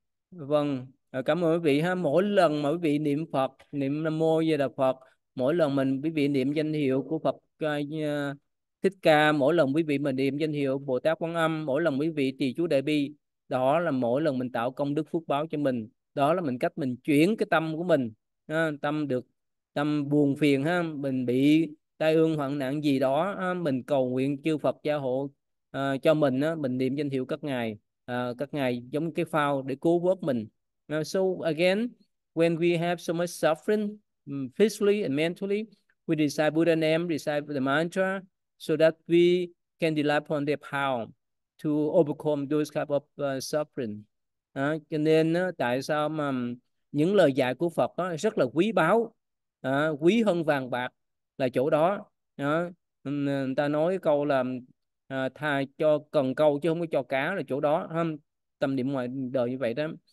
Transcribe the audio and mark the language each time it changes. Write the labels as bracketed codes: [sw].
[vi] Vâng, cảm ơn quý vị ha. Mỗi lần mà quý vị niệm Phật, niệm Nam Mô Di Đà Phật, mỗi lần mình quý vị niệm danh hiệu của Phật Thích Ca, mỗi lần quý vị mình niệm danh hiệu Bồ Tát Quan Âm, mỗi lần quý vị trì chú Đại Bi, đó là mỗi lần mình tạo công đức phước báo cho mình. Đó là mình cách mình chuyển cái tâm của mình, tâm được tâm buồn phiền ha, mình bị tai ương hoạn nạn gì đó, mình cầu nguyện chư Phật gia hộ cho mình, mình niệm danh hiệu các ngài. Các ngài giống cái phao để cứu vớt mình. [en] So again, when we have so much suffering physically and mentally, we recite Buddha name, recite the mantra, so that we can rely upon their power to overcome those kind of suffering. [vi] Cho nên tại sao mà những lời dạy của Phật rất là quý báu, quý hơn vàng bạc là chỗ đó. Người ta nói câu là thà cho cần câu chứ không có cho cá là chỗ đó, tâm niệm ngoài đời như vậy đó.